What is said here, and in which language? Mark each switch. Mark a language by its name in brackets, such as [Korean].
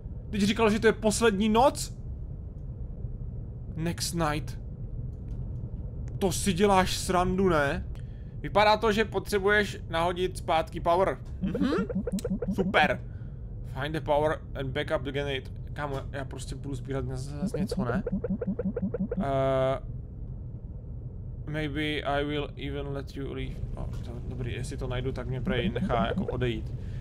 [Czech] Teď říkal, že to je poslední noc? [English] Next night. [Czech] To si děláš srandu, ne? Vypadá to, že potřebuješ nahodit zpátky power. Super. [English] Find the power and back up the generator. [Czech] Kámo, já prostě budu sbírat zase něco, ne? [English] Maybe I will even let you leave. [Czech] Dobrý, jestli to najdu, tak mě prej nechá jako odejít.